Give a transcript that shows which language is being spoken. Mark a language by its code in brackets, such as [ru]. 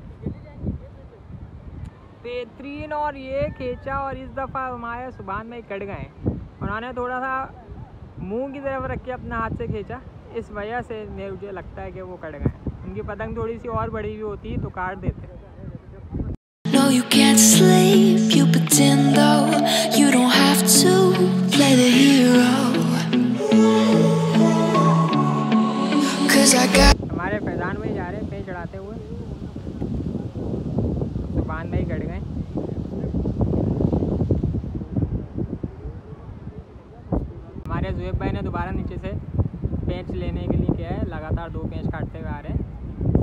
[hi] बेहतरीन, और ये खींचा, और इस दफ़ा हमारे सुभान भाई कट गए। उन्होंने थोड़ा सा मुंह की तरफ रख के अपना हाथ से खींचा, इस वजह से मुझे लगता है कि वो कट गए। उनकी पतंग थोड़ी सी और बड़ी भी होती तो काट देते। [en] No, you can't sleep, you pretend though. You don't have to play the hero. Cause I got... [hi] हमारे फैजान में जा रहे हैं पेड़ चढ़ाते हुए, सुभान भाई कट गए। हमारे जुएब भाई ने दोबारा नीचे से पेंच लेने के लिए किया है, लगातार दो पेंच काटते हुए आ रहे हैं।